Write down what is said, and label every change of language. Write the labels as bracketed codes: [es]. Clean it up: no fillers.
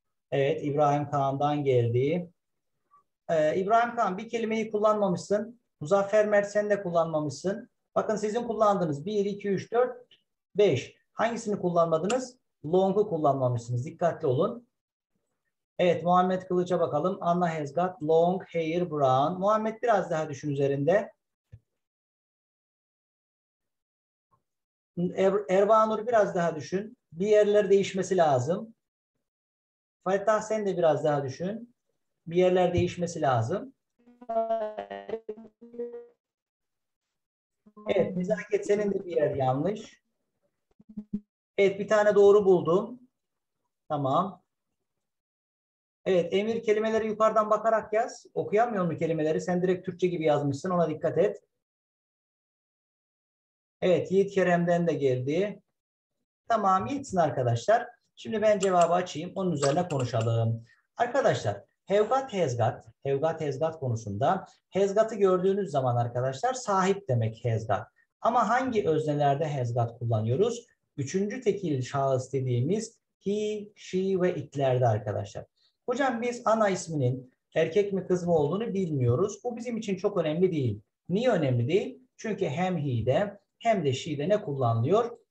[tr] Evet, İbrahim Kağan'dan geldi. İbrahim Kağan, bir kelimeyi kullanmamışsın. Muzaffer Mert, sen de kullanmamışsın. Bakın sizin kullandığınız 1, 2, 3, 4, 5. Hangisini kullanmadınız? Long'u kullanmamışsınız. Dikkatli olun. Evet, Muhammed Kılıç'a bakalım. [en] Anna has got long hair brown. [tr] Muhammed biraz daha düşün üzerinde. Erbanur biraz daha düşün. Bir yerler değişmesi lazım. Fatih, sen de biraz daha düşün. Bir yerler değişmesi lazım. Evet, Nezaket, senin de bir yer yanlış. Evet, bir tane doğru buldum. Tamam. Evet, Emir, kelimeleri yukarıdan bakarak yaz. Okuyamıyor mu kelimeleri? Sen direkt Türkçe gibi yazmışsın. Ona dikkat et. Evet, Yiğit Kerem'den de geldi. Tamam, Yiğit'sin arkadaşlar. Şimdi ben cevabı açayım. Onun üzerine konuşalım. Arkadaşlar, have got, has got. Have got, has got konusunda. Has got'ı gördüğünüz zaman arkadaşlar, sahip demek has got. Ama hangi öznelerde has got kullanıyoruz? Üçüncü tekil şahıs dediğimiz he, she ve itlerde arkadaşlar. Hocam biz ana isminin erkek mi kız mı olduğunu bilmiyoruz. Bu bizim için çok önemli değil. Niye önemli değil? Çünkü hem he'de hem de she'de ne kullanılıyor?